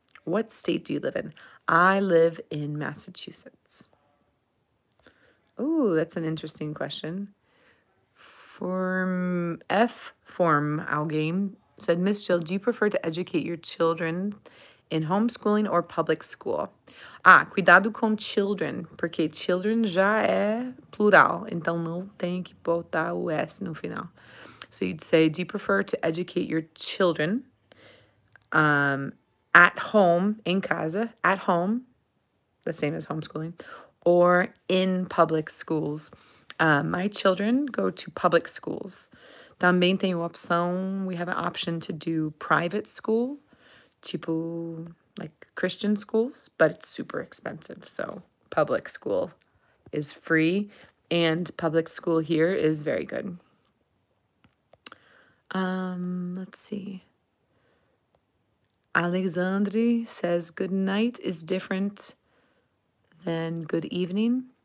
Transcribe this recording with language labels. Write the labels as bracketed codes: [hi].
[en] What state do you live in? I live in Massachusetts. Ooh, that's an interesting question. Form F form Algame said, Miss Jill, do you prefer to educate your children in homeschooling or public school? [pt] Ah, cuidado com children, porque children já é plural, então não tem que botar o S no final. [en] So you'd say, do you prefer to educate your children at home, in casa, at home, the same as homeschooling, or in public schools? My children go to public schools. [pt] Também tem a opção, [en] we have an option to do private school. Tipo, like Christian schools, but it's super expensive. So public school is free, and public school here is very good. Let's see. Alexandre says good night is different than good evening.